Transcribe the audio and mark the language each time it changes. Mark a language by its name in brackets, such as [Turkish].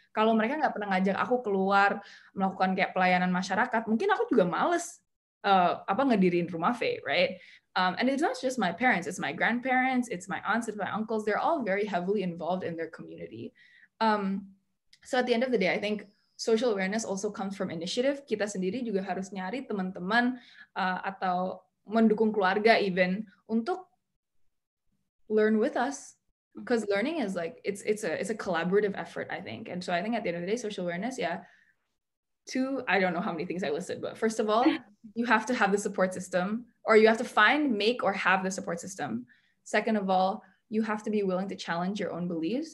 [Indonesian] Kalau mereka gak pernah ngajak aku keluar, melakukan kayak pelayanan masyarakat, mungkin aku juga males ngediriin Rumah Faye, right? [English] And it's not just my parents, it's my grandparents, it's my aunts, it's my uncles, they're all very heavily involved in their community. So at the end of the day, I think social awareness also comes from initiative. [Indonesian] Kita sendiri juga harus nyari teman-teman atau mendukung keluarga even untuk [English] learn with us. Because learning is like, it's a collaborative effort, I think. And so I think at the end of the day, social awareness, yeah. Two, I don't know how many things I listed, but first of all, you have to have the support system, or you have to find, make, or have the support system. Second of all, you have to be willing to challenge your own beliefs.